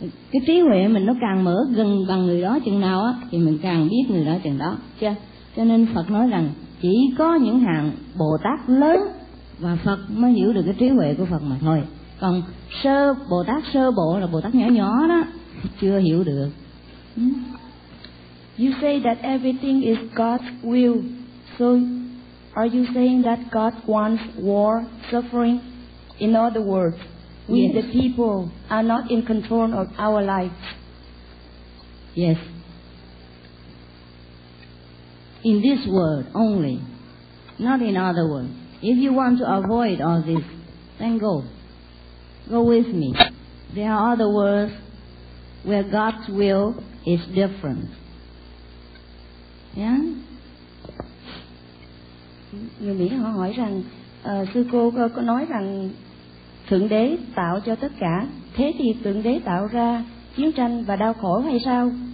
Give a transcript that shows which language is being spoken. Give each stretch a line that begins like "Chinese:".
Vietnamese: Cái trí huệ mình nó càng mở gần bằng người đó chừng nào á thì mình càng biết người đó chừng đó. Chưa? Cho nên Phật nói rằng chỉ có những hạng Bồ Tát lớn và Phật mới hiểu được cái trí huệ của Phật mà thôi. Còn sơ Bồ Tát sơ bộ là Bồ Tát nhỏ nhỏ đó, chưa hiểu được.
English: You say that everything is God's will. So are you saying that God wants war, suffering? In other words, we the people are not in control of our life. Yes. In this world only, not in other world. If you want to avoid all this, then go. Go with me. There are other worlds where God's will is different. Yeah?
Vietnamese: Người Mỹ họ hỏi rằng, sư cô có nói rằng Thượng Đế tạo cho tất cả, thế thì Thượng Đế tạo ra chiến tranh và đau khổ hay sao?